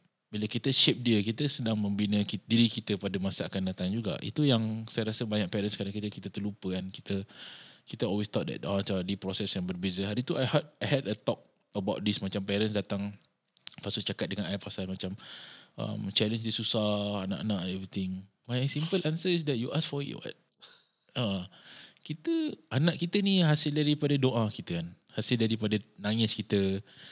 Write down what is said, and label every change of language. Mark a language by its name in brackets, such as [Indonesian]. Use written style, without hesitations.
[Malay] Bila kita shape dia, kita sedang membina diri kita pada masa akan datang juga. Itu yang saya rasa banyak parents sekarang kita terlupa kan. Kita [English] always thought that [Malay] macam di proses yang berbeza. Hari tu [English] I had a talk about this. [Malay] Macam parents datang pasal cakap dengan I pasal macam challenge dia susah, anak-anak everything. [English] My simple answer is that you ask for it, what? [Malay] Kita, anak kita ni hasil daripada doa kita kan. Hasil daripada nangis kita.